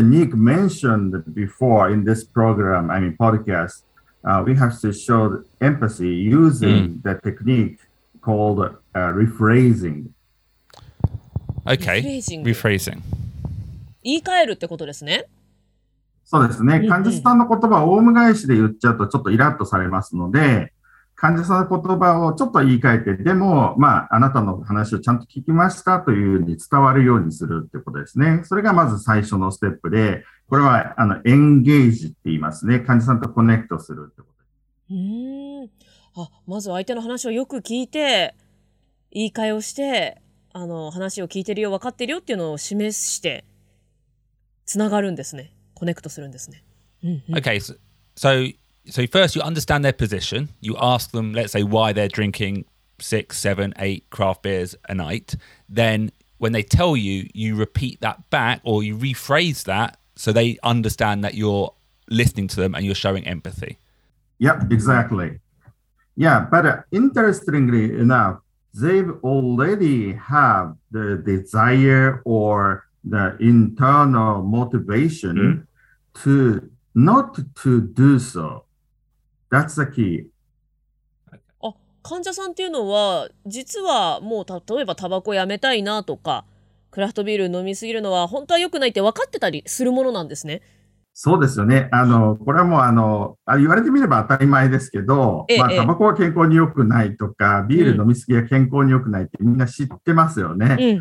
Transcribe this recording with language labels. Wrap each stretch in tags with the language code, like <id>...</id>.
<en>Nick mentioned before in this program, I mean podcast, we have to show empathy using the technique called rephrasing. Okay, rephrasing.</en> <ja>言い換えるってことですね。そうですね。患者さんの言葉をオウム返しで言っちゃうとちょっとイラッとされますので、患者さんの言葉をちょっと言い換えて、でも、まあ、あなたの話をちゃんと聞きましたというふうに伝わるようにするってことですね。それがまず最初のステップで、これはエンゲージって言いますね。患者さんとコネクトするってことです。まず相手の話をよく聞いて、言い換えをして、話を聞いてるよ、分かってるよっていうのを示して、つながるんですね。コネクトするんですね。</ja> <en>Okay, So first you understand their position, you ask them, let's say, why they're drinking 6, 7, 8 craft beers a night. Then when they tell you, you repeat that back or you rephrase that so they understand that you're listening to them and you're showing empathy. Yep, exactly. Yeah, but interestingly enough, they've already have the desire or the internal motivation to not to do so. That's the key.</en> <ja>患者さんっていうのは実はもう例えばタバコやめたいなとかクラフトビール飲みすぎるのは本当は良くないって分かってたりするものなんですね。そうですよね。これはもう言われてみれば当たり前ですけど、タバコは健康に良くないとか、ビール飲みすぎは健康に良くないってみんな知ってますよね。</ja>